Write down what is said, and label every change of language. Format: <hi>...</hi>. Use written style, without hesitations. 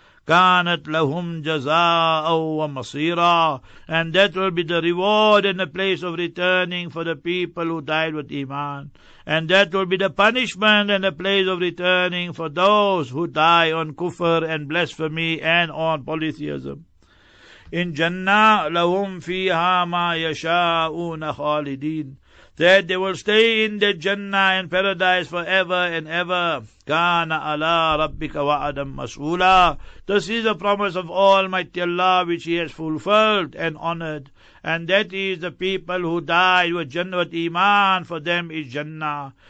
<ar>كانت لهم جزاء ومصيرا.</ar> <en>And that will be the reward and the place of returning for the people who died with iman. And that will be the punishment and the place of returning for those who die on kufr and blasphemy and on polytheism.</en> <ar>In jannah لهم فيها ما يشاءون خالدين.</ar> <en>That they will stay in the Jannah and Paradise forever and ever.</en> <ar>Kana ala rabbika wa'adam mas'oola.</ar> <en>This is the promise of Almighty Allah which He has fulfilled and honored. And that is the people who die with Jannah with Iman, for them is Jannah.</en>